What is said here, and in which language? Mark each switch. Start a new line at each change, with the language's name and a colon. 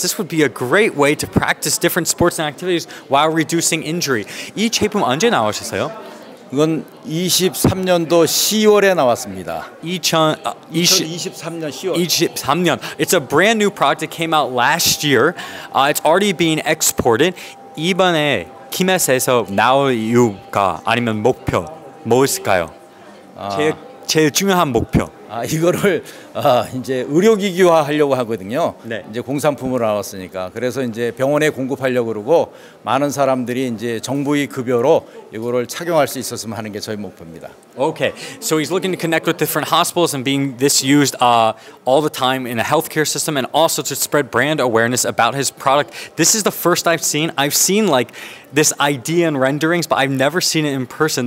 English: This would be a great way to practice different sports and activities while reducing injury.
Korean: 이 제품 언제 나오셨어요? 이건 23년도 10월에 나왔습니다. 2023년 10월. 23년.
English: It's a brand new product that came out last year. It's already being exported.
Korean: 이번에 KIMES에서 나올 이유가 아니면 목표 무엇일까요? 제일 중요한 목표. 아 이거를 이제 의료기기화 하려고 하거든요. 네. 이제 공산품으로 나왔으니까 그래서 이제 병원에 공급하려고 그러고 많은 사람들이 이제 정부의 급여로 이거를 착용할 수 있었으면 하는 게 저희 목표입니다.
English: Okay, so he's looking to connect with different hospitals and being this used all the time in a healthcare system and also to spread brand awareness about his product. This is the first I've seen. I've seen like this idea in renderings, but I've never seen it in person.